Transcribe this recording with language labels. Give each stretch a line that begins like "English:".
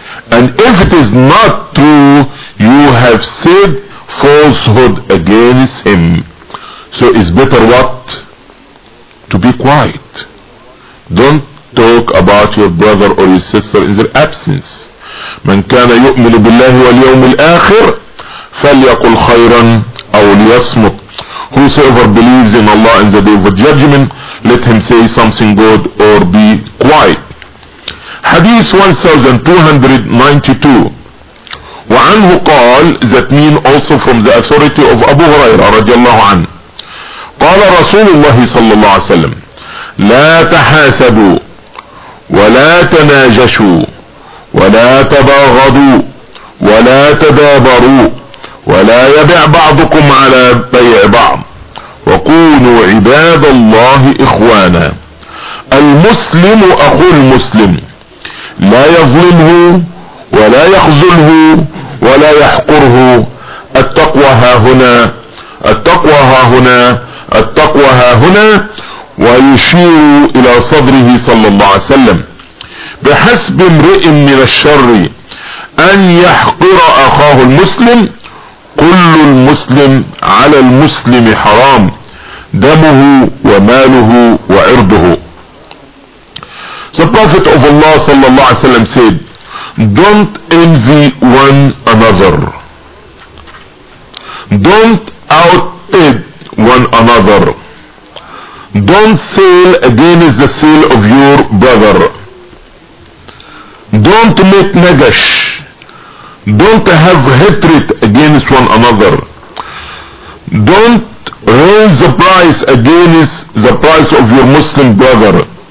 English: And if it is not true, you have said falsehood against him. So it's better what? To be quiet. Don't talk about your brother or your sister in their absence.
Arabic: من كان يؤمن بالله واليوم الآخر فليقل خيرا أو ليصمت.
English: Whosoever believes in Allah and the Day of Judgment, let him say something good or be quiet. Hadith 1292.
Arabic: وعنه قال,
English: that mean also from the authority of Abu Huraira
Arabic: رضي الله عنه. قال رسول الله صلى الله عليه وسلم: لا تحاسبوا ولا تناجشوا ولا تباغضوا ولا تدابروا ولا يبع بعضكم على بيع بعض وكونوا عباد الله اخوانا. المسلم اخو المسلم، لا يظلمه ولا يخذله ولا يحقره. التقوى ها هنا، التقوى ها هنا، التقوى ها هنا. ويشير الى صدره صلى الله عليه وسلم: بحسب امرئ من الشر ان يحقر اخاه المسلم، كل المسلم على المسلم حرام، دمه وماله وعرضه.
English: The Prophet of Allah
Arabic: صلى الله عليه وسلم
English: said, don't envy one another, don't outbid one another, don't sail against the sail of your brother, don't make nagash, don't have hatred against one another, don't raise the price against the price of your Muslim brother,